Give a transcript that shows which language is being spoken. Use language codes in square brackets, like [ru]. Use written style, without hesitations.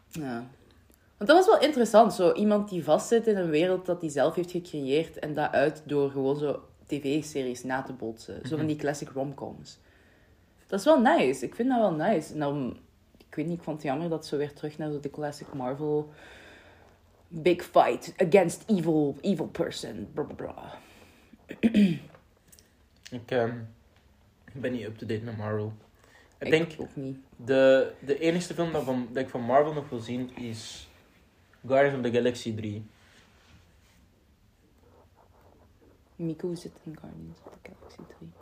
[nl] Ja. Want dat was wel interessant. Zo iemand die vastzit in een wereld dat hij zelf heeft gecreëerd. En dat uit door gewoon zo tv-series na te botsen. Mm-hmm. Zo van die classic romcoms. Dat is wel nice. Ik vind dat wel nice. En dan... Ik weet niet, ik vond het jammer dat ze weer terug naar de classic Marvel. [en] Big fight against evil, evil person. Blah, blah, blah. [nl] Ik ben niet up-to-date met Marvel. Ik denk ook niet. De enige film dat ik van Marvel nog wil zien is Guardians of the Galaxy 3. Miku zit in Guardians of the Galaxy 3.